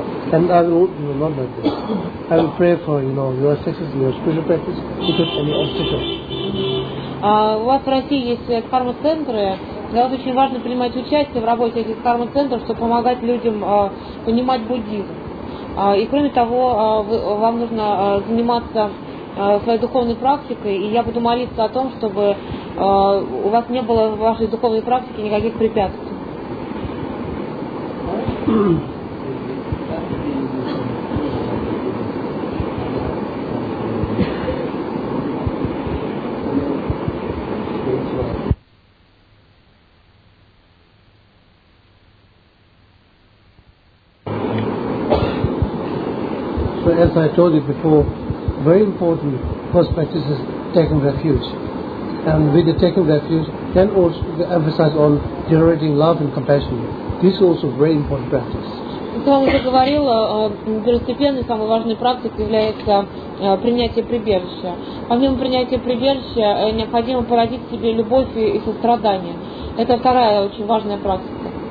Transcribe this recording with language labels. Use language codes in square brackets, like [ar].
[en] And I will remember this. I will pray for, you know, your success in your spiritual practice, without any obstacle. [ru] У вас в России есть карма-центры. Для вас очень важно принимать участие в работе этих карма-центров, чтобы помогать людям понимать буддизм. И кроме того, вам нужно заниматься своей духовной практикой, и я буду молиться о том, чтобы у вас не было в вашей духовной практике никаких препятствий. [en] As I told you before, very important first practice is taking refuge. And with the taking refuge, then also the emphasis on generating love and compassion. This is also very important practice. [ru] Как я уже говорила, первостепенной, самой важной практикой является принятие прибежища. Помимо принятия прибежища, необходимо породить в себе любовь и сострадание. Это вторая очень важная практика.